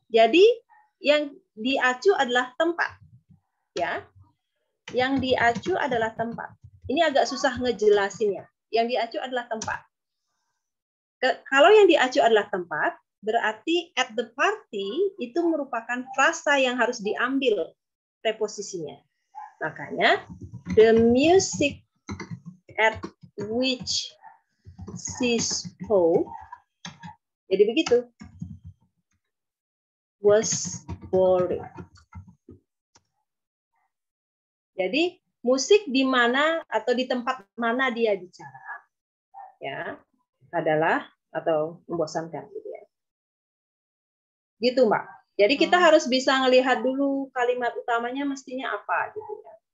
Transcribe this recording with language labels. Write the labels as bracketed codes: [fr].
[id] Jadi yang diacu adalah tempat. Ya. Yang diacu adalah tempat. Ini agak susah ngejelasinnya. Yang diacu adalah tempat. Kalau yang diacu adalah tempat, berarti [en] at the party [id] itu merupakan frasa yang harus diambil preposisinya. Makanya [en] the music at which she spoke, [id] jadi begitu, [en] was boring. [id] Jadi musik di mana atau di tempat mana dia bicara ya adalah atau membosankan. Gitu Mbak. Jadi kita harus bisa ngelihat dulu kalimat utamanya mestinya apa gitu ya.